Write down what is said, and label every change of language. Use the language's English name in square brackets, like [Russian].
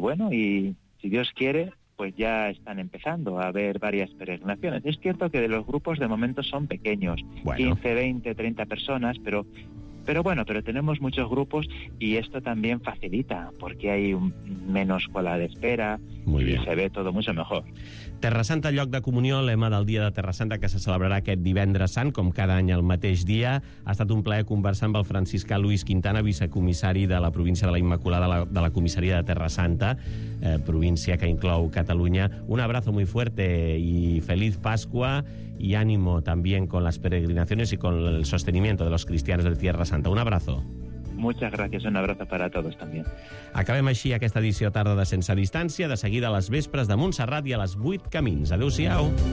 [Spanish] Bueno, y si Dios quiere, pues ya están empezando a haber varias peregrinaciones. Es cierto que de los grupos de momento son pequeños, bueno. 15, 20, 30 personas, pero tenemos muchos grupos y esto también facilita, porque hay menos cola de espera. Muy bien. Y se ve todo mucho mejor. [Catalan] Terra Santa, lloc de comunió, lema del dia de Terra Santa que se celebrarà aquest divendres sant, com cada any el mateix dia. Ha estat un plaer conversar amb el franciscà Luis Quintana, vicecomissari de la província de la Immaculada de la Comissaria de Terra Santa, província que inclou Catalunya. [Spanish] Un abrazo muy fuerte y feliz Pascua y ánimo también con las peregrinaciones y con el sostenimiento de los cristianos de Terra Santa. Un abrazo. Muchas gracias, un abrazo para todos también. [Catalan] Acabem així aquesta edició tarda de Sense Distància, de seguida a les vespres de Montserrat i a les 8 camins. Adéu-siau.